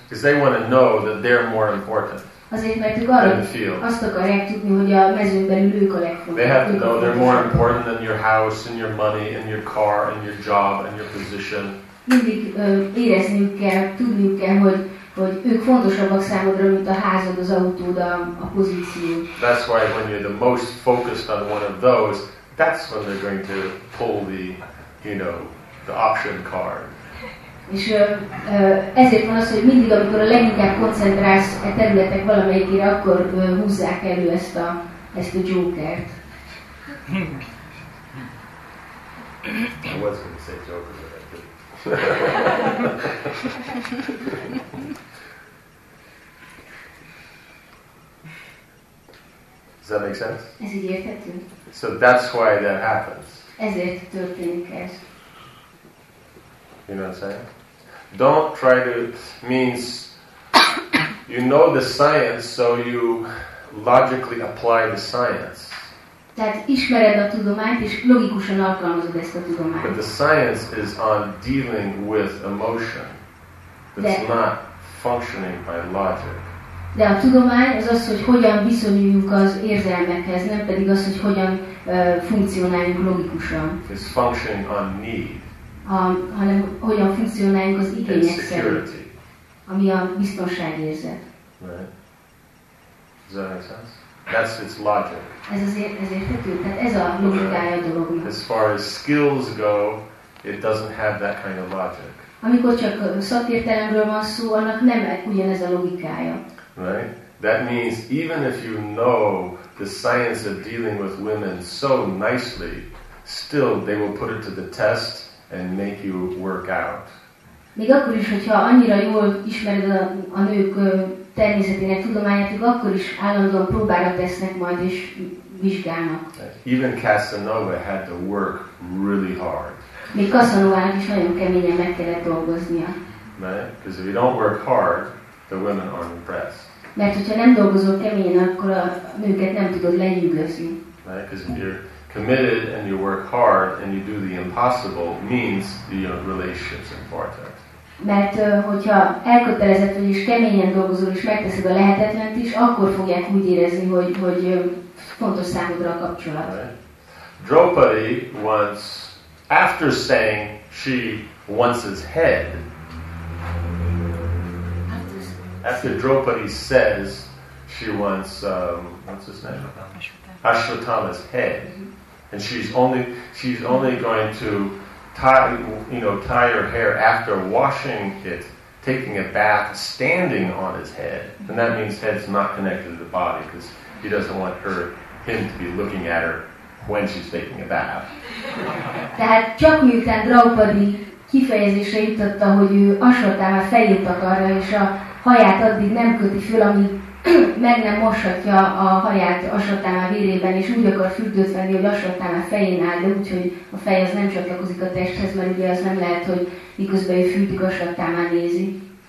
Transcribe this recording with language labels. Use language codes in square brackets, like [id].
[en] Because they want to know that they're more important. [hu] Azért, mert ők arra azt akarják tudni, hogy a mezőn belül ők a legfontosabbak. [en] They have to know they're more important than your house and your money and your car and your job and your position. [hu] Mindig érezniük kell, tudniuk kell, hogy ők fontosabbak számodra, mint a házad, az autód, a pozíció. [en] That's why when you're the most focused on one of those, that's when they're going to pull the option card. [hu] És ezért van az, hogy mindig, amikor a leginkább koncentrálsz a területek valamelyikére, akkor húzzák elő ezt a jokert. [en] I was going to say joker, but I didn't. Does that make sense? [hu] Ez így érthető. [en] So that's why that happens. [hu] Ezért történik ez. [en] You know what I'm saying? Don't try to, means you know the science, so you logically apply the science. [hu] Tehát ismered a tudományt, és logikusan alkalmazod ezt a tudományt. [en] But the science is on dealing with emotion. It's not functioning by logic. [hu] De a tudomány az, hogy hogyan viszonyuljunk az érzelmekhez, nem pedig az, hogy hogyan funkcionáljunk logikusan. [en] It's functioning on need. [hu] Hanem hogyan funkcionáljunk az igények szerint, ami a biztonság érzet. [en] Right. Does that make sense? That's its logic. [hu] Ez a logikája a dolognak. [en] As far as skills go, it doesn't have that kind of logic. [hu] Amikor csak szakértelemről van szó, annak nem ugyanez a logikája. [en] Right. That means even if you know the science of dealing with women so nicely, still they will put it to the test and make you work out. [hu] Még akkor is, hogyha annyira jól ismered a nők természetének tudományát, akkor is állandóan próbára tesznek majd és vizsgálnak. [en] Even Casanova had to work really hard. [hu] Még Casanovának is nagyon keményen meg kellett dolgoznia. [en] Right? Because if you don't work hard, the women aren't impressed. [hu] Mert hogyha nem dolgozol keményen, akkor a nőket nem tudod lenyűgözni. [en] Right? Because if you're committed and you work hard and you do the impossible means your relationship's important. [hu] Mert hogyha elkötelezett vagy és keményen dolgozol és megteszed a lehetetlent is, akkor fogják úgy érezni, hogy fontos számodra a kapcsolat. [en] Right. Draupadi once, after saying she wants his head, after Draupadi says she wants what's his name? Ashwatthama's head. And she's only going to tie her hair after washing it, taking a bath, standing on his head. And that means head's not connected to the body because he doesn't want her him to be looking at her when she's taking a bath. [hu] Tehát csak miután Draupadi kifejezésre jutotta, hogy ő asratává fejét akarja, és a haját addig nem köti föl, amíg meg nem moshatja a haját asratává vérében, és úgy akar fürdőt venni, hogy asratává fején áll, de úgyhogy a fej az nem csatlakozik a testhez, mert ugye az nem lehet, hogy miközben ő fürdik, asratává nézi.